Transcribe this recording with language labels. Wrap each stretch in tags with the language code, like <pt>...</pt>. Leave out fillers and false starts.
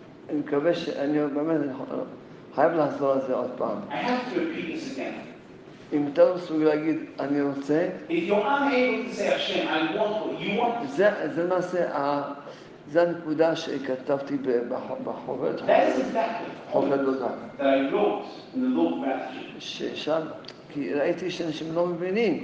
<en>I hope that I have to repeat this again. I have to repeat this again.</en> <he>אם אתה לא מסוגל להגיד, אני רוצה...</he> <en>If you're unable to say, Hashem, I want what you want...</en> <he>זה למעשה, זה הנקודה שכתבתי בחוברת...</he> <en>That is exactly...</en> <he>חוברת תודה.</he> <en>That I wrote in the Law of Gratitude.</en> <he>ששם, כי ראיתי שאנשים לא מבינים.</he>